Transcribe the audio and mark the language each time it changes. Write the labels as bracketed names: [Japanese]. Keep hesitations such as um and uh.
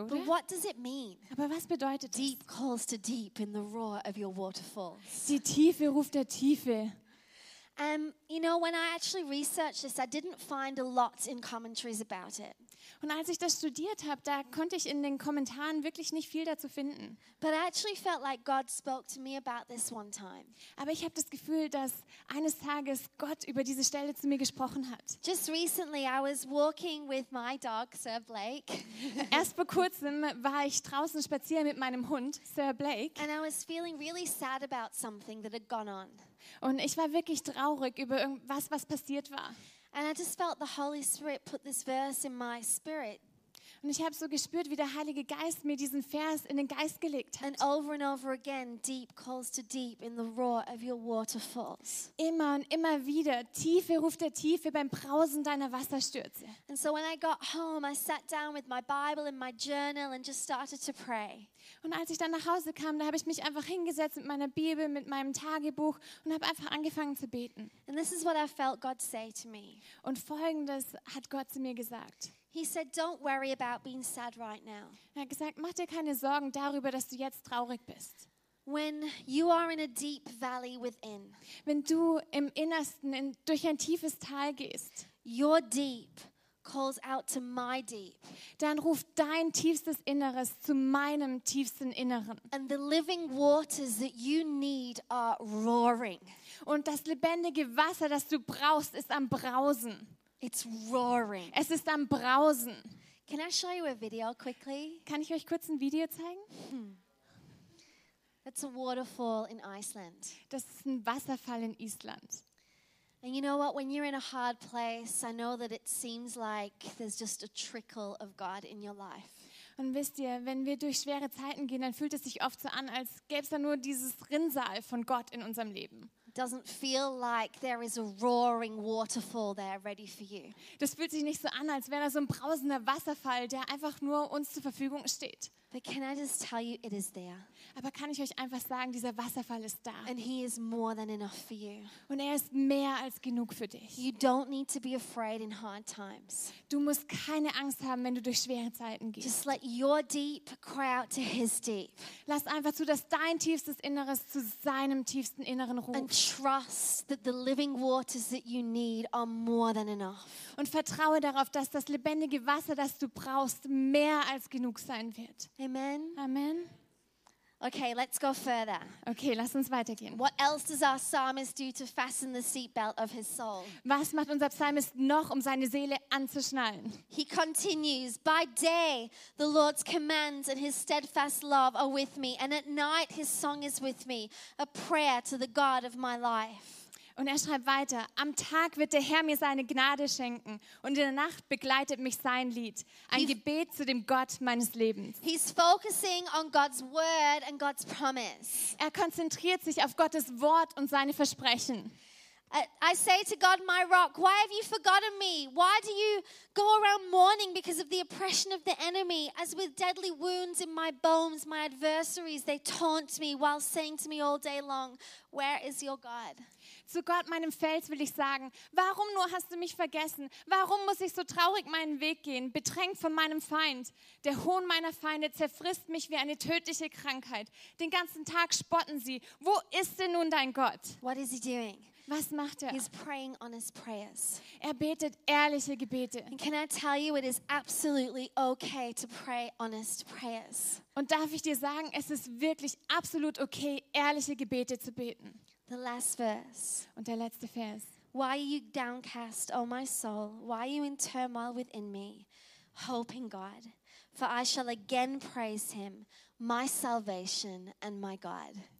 [English] But [German] oder? [English] what does it mean? [German] Aber was bedeutet das? [English] Deep calls to deep in the roar of your waterfalls. [German] Die Tiefe ruft der Tiefe. [English] Um, you know, when I actually researched this, I didn't find a lot in commentaries about it. [German] Und als ich das studiert habe, da konnte ich in den Kommentaren wirklich nicht viel dazu finden. [English] But I actually felt like God spoke to me about this one time. [German] Aber ich habe das Gefühl, dass eines Tages Gott über diese Stelle zu mir gesprochen hat. [English] Just recently, I was walking with my dog, Sir Blake, [German] Erst vor kurzem war ich draußen spazieren mit meinem Hund, Sir Blake. [English] and I was feeling really sad about something that had gone on. [German] Und ich war wirklich traurig über irgendwas, was passiert war. [English] And I just felt the Holy Spirit put this verse in my spirit, [German] Und ich habe so gespürt, wie der Heilige Geist mir diesen Vers in den Geist gelegt hat. [English] and over and over again, deep calls to deep in the roar of your waterfalls. [German] Immer und immer wieder, Tiefe ruft der Tiefe beim Brausen deiner Wasserstürze. [English] And so when I got home, I sat down with my Bible and my journal and just started to pray. [German] Und als ich dann nach Hause kam, da habe ich mich einfach hingesetzt mit meiner Bibel, mit meinem Tagebuch und habe einfach angefangen zu beten. [English] And this is what I felt God say to me [German] Und folgendes hat Gott zu mir gesagt. [English] He said, Don't worry about being sad right now. [German] Er hat gesagt, mach dir keine Sorgen darüber, dass du jetzt traurig bist. [English] when you are in a deep valley within, [German] Wenn du im Innersten in, durch ein tiefes Tal gehst, [English] your deep calls out to my deep, [German] dann ruft dein tiefstes Inneres zu meinem tiefsten Inneren. [English] and the living waters that you need are roaring. [German] Und das lebendige Wasser, das du brauchst, ist am Brausen. [English] It's roaring. [German] Es ist am Brausen. [English] Can I show you a video quickly? [German] Kann ich euch kurz ein Video zeigen? [English] That's a waterfall in Iceland. [German] Das ist ein Wasserfall in Island. [English] And you know what? When you're in a hard place, I know that it seems like there's just a trickle of God in your life. [German] Und wisst ihr, wenn wir durch schwere Zeiten gehen, dann fühlt es sich oft so an, als gäbe es da nur dieses Rinnsal von Gott in unserem Leben. [English] It doesn't feel like there is a roaring waterfall there ready for you. [German] Das fühlt sich nicht so an, als wäre da so ein brausender Wasserfall, der einfach nur uns zur Verfügung steht. [English] But can I just tell you, it is there. [German] Aber kann ich euch einfach sagen, dieser Wasserfall ist da. [English] And He is more than enough for you. [German] Und er ist mehr als genug für dich. [English] You don't need to be afraid in hard times. [German] Du musst keine Angst haben, wenn du durch schwere Zeiten gehst. [English] Just let your deep cry out to His deep [German] Lass einfach zu, dass dein tiefstes Inneres zu seinem tiefsten Inneren [English] and [German] ruft. [English] trust that the living waters that you need are more than enough. [German] Und vertraue darauf, dass das lebendige Wasser, das du brauchst, mehr als genug sein wird. [English] Amen. [German] Amen. [English] Okay, let's go further. [German] Okay, lass uns weitergehen. [English] What else does our psalmist do to fasten the seatbelt of his soul? [German] Was macht unser Psalmist noch, um seine Seele anzuschnallen? [English] He continues, By day the Lord's commands and his steadfast love are with me, and at night his song is with me, a prayer to the God of my life. [German] Und er schreibt weiter, am Tag wird der Herr mir seine Gnade schenken und in der Nacht begleitet mich sein Lied, ein Die- Gebet zu dem Gott meines Lebens. [English] He's focusing on God's word and God's promise. [German] Er konzentriert sich auf Gottes Wort und seine Versprechen. [English] I, I say to God, my rock, why have you forgotten me? Why do you go around mourning because of the oppression of the enemy? As with deadly wounds in my bones, my adversaries, they taunt me while saying to me all day long, Where is your God? [German] Zu Gott, meinem Fels, will ich sagen, warum nur hast du mich vergessen? Warum muss ich so traurig meinen Weg gehen, bedrängt von meinem Feind? Der Hohn meiner Feinde zerfrisst mich wie eine tödliche Krankheit. Den ganzen Tag spotten sie. Wo ist denn nun dein Gott? [English] What is he doing? [German] Was macht er? [English] He's praying honest prayers. [German] Er betet ehrliche Gebete. [English] And can I tell you, it is absolutely okay to pray honest prayers. [German] Und darf ich dir sagen, es ist wirklich absolut okay, ehrliche Gebete zu beten. [English] The last verse. [German] Und der letzte Vers. [English] Why are you downcast, O my soul? Why are you in turmoil within me? Hope in God, for I shall again praise him, my salvation and my God.